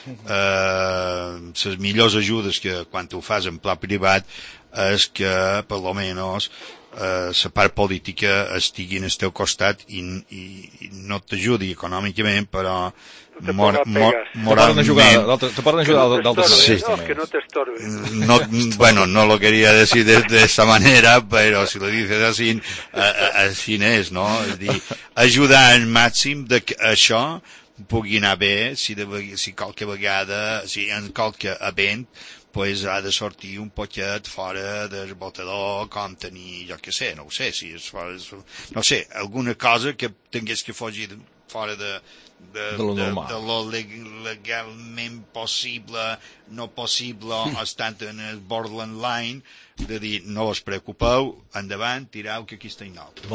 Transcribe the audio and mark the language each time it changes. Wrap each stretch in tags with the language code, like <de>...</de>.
<ca>Les millors ajudes que quan ho fas en pla privat és que, per lo menos, la part política estigui al teu costat i no t'ajudi econòmicament, però moralment... Te poden ajudar d'altres coses. Que no t'estorbes.</ca> <es>No, bueno, no lo quería decir de esa manera, però si lo dices así, así es, no?</es> <ca>És dir, ajudar al màxim de que això pugui anar bé, si en qualque event pues ha de sortir un poquet fora del botador, com tenir, jo què sé, no ho sé, si és fora, no sé, alguna cosa que tingués que fugir fora de lo legalment possible, no possible, estant en el borderline, de dir, no us preocupeu, endavant, tirau, que aquí estem nosaltres.</ca>